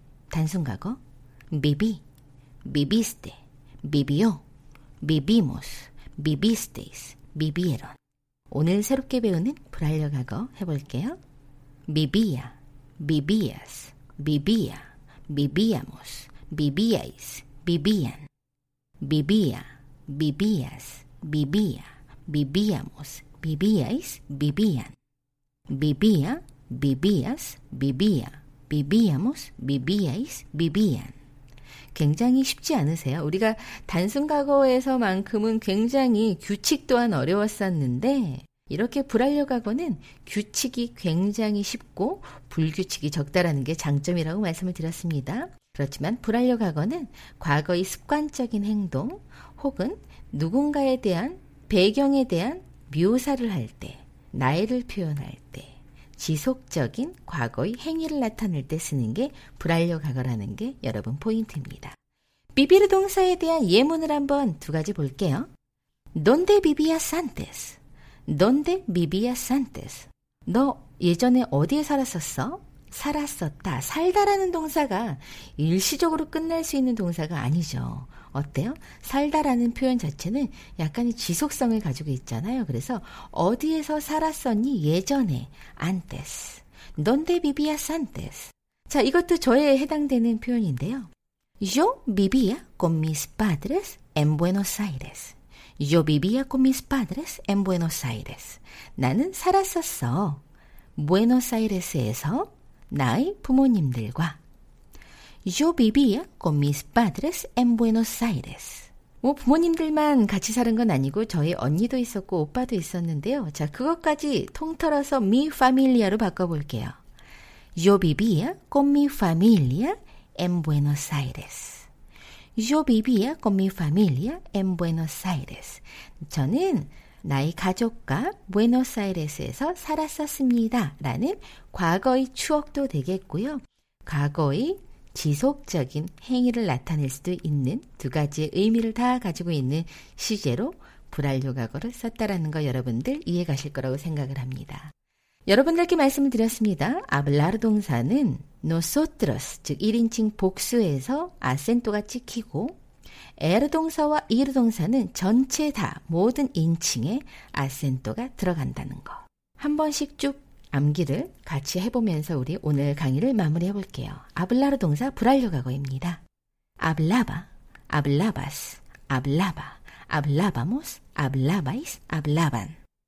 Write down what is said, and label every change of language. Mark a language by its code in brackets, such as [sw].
[ko] 단순 과거, [es] vivi, viviste, vivió, vivimos, vivisteis, vivieron. [ko] 오늘 새롭게 배우는 불완료 과거 해볼게요. [es] vivía, vivías, vivía, vivíamos, vivíais, vivían. vivía, vivías, vivía, vivíamos, vivíais, vivían. vivía, vivías, vivía, vivíamos, vivíais, vivían. [ko] 굉장히 쉽지 않으세요? 우리가 단순 과거에서만큼은 굉장히 규칙 또한 어려웠었는데 이렇게 불완료 과거는 규칙이 굉장히 쉽고 불규칙이 적다라는 게 장점이라고 말씀을 드렸습니다. 그렇지만 불완료 과거는 과거의 습관적인 행동 혹은 누군가에 대한 배경에 대한 묘사를 할 때, 나이를 표현할 때, 지속적인 과거의 행위를 나타낼 때 쓰는 게 불완료 과거라는 게 여러분 포인트입니다. 비비르 동사에 대한 예문을 한번 두 가지 볼게요. [es] ¿Dónde vivías antes? ¿Dónde vivías antes? [ko] 너 예전에 어디에 살았었어? 살았었다. 살다라는 동사가 일시적으로 끝날 수 있는 동사가 아니죠. 어때요? 살다라는 표현 자체는 약간의 지속성을 가지고 있잖아요. 그래서 어디에서 살았었니? 예전에. [es] Antes. ¿Dónde vivías antes? [ko] 자, 이것도 저에 해당되는 표현인데요. [es] Yo vivía con mis padres en Buenos Aires. Yo vivía con mis padres en Buenos Aires. [ko] 나는 살았었어. Buenos Aires에서 나의 부모님들과. [es] Yo vivía con mis padres en Buenos Aires. [ko] 뭐 부모님들만 같이 사는 건 아니고 저희 언니도 있었고 오빠도 있었는데요. 자, 그것까지 통틀어서 mi familia로 바꿔볼게요. [es] Yo vivía con mi familia en Buenos Aires. Yo vivía con mi familia en Buenos Aires. [ko] 저는 나의 가족과 부에노스아이레스에서 살았었습니다. 라는 과거의 추억도 되겠고요. 과거의 지속적인 행위를 나타낼 수도 있는 두 가지의 의미를 다 가지고 있는 시제로 불완료 과거를 썼다라는 거 여러분들 이해가실 거라고 생각을 합니다. 여러분들께 말씀을 드렸습니다. hablar 동사는 nosotros, 즉 1인칭 복수에서 acento가 찍히고 er 동사와 ir 동사는 전체 다 모든 인칭에 acento가 들어간다는 거. 한 번씩 쭉 암기를 같이 해보면서 우리 오늘 강의를 마무리해볼게요. hablar 동사 불완료 과거입니다. [es] hablaba, hablabas, hablaba, hablábamos, hablabais, hablaban.